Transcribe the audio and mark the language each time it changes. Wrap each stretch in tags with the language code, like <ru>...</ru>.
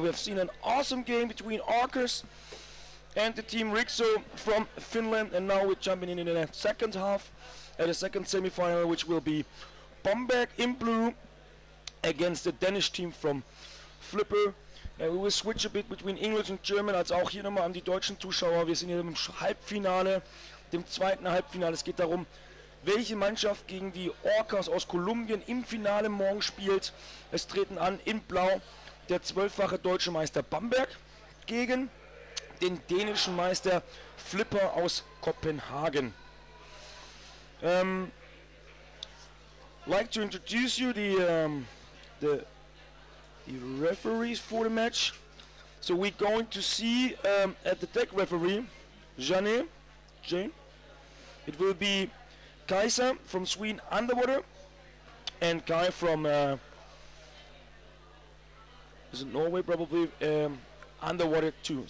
<en>We have seen an awesome game between Orcas and the team Riksu from Finland. And now we're jumping into the second half at the second semi-final, which will be Bamberg in blue against the Danish team from Flipper. And we will switch a bit between English and German.</en> <de>Also auch hier nochmal an die deutschen Zuschauer. Wir sind hier im Halbfinale, dem zweiten Halbfinale. Es geht darum, welche Mannschaft gegen die Orcas aus Kolumbien im Finale morgen spielt. Es treten an in Blau der 12-fache deutsche Meister Bamberg gegen den dänischen Meister Flipper aus Kopenhagen.</de> <en>Like to introduce you the referees for the match. So we're going to see at the tech referee, Jane. It will be Kaisa from Sweden Underwater and Kai from is it Norway probably Underwater too.</en>